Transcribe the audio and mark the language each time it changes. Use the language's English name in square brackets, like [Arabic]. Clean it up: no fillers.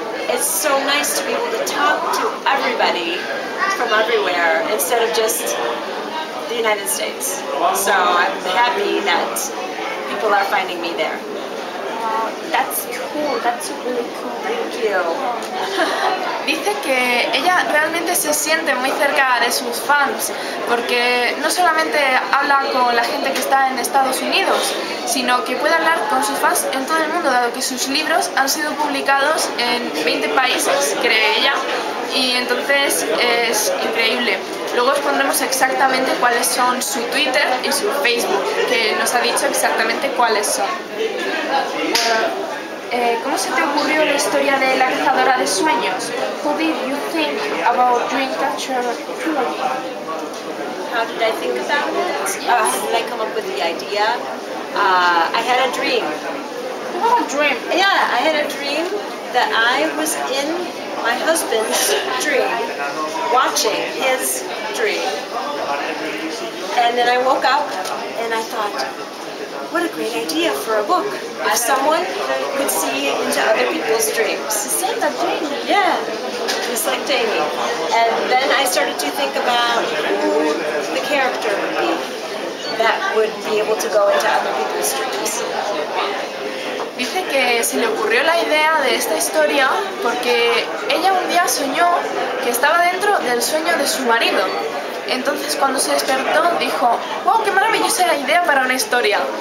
[English] it's so nice to be able to talk to everybody from everywhere instead of just the United States, so I'm happy that people are finding me there. That's cool, that's really cool. Thank you. [Spanish] Dice que ella realmente se siente muy cerca de sus fans porque no solamente habla con la gente que está en Estados Unidos, sino que puede hablar con sus fans en todo el mundo, dado que sus libros han sido publicados en 20 países, cree ella, y entonces es increíble. Luego os pondremos exactamente cuáles son su Twitter y su Facebook, que nos ha dicho exactamente cuáles son. ¿Cómo se te ocurrió la historia de la cazadora de sueños? [English] How did you think about Dreamcatcher 2? How did I think about it? How did I come up with the idea? I had a dream. You had a dream? Yeah, I had a dream that I was in my husband's dream, watching his dream. And then I woke up and I thought, what a great idea for a book, if someone could see into other people's dreams. The same as Jamie. Yeah, just like Jamie. And then I started to think about who the character would be that would be able to go into other people's dreams. [Spanish] Dice que se le ocurrió la idea de esta historia porque ella un día soñó que estaba dentro del sueño de su marido. Entonces cuando se despertó dijo, wow, qué maravillosa la idea para una historia.